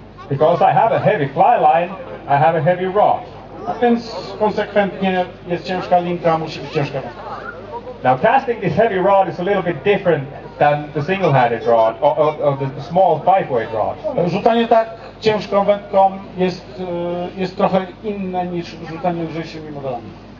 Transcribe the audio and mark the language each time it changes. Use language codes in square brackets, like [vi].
[en] Because I have a heavy fly line, I have a heavy rod. [pl] A więc konsekwentnie jest ciężka linka, musi być ciężka. [en] Now casting this heavy rod is a little bit different than the single-handed rod or the small five-weight rod. [pl] Rzucanie tak ciężką wędką jest trochę inne niż rzucanie lżejszymi modelami.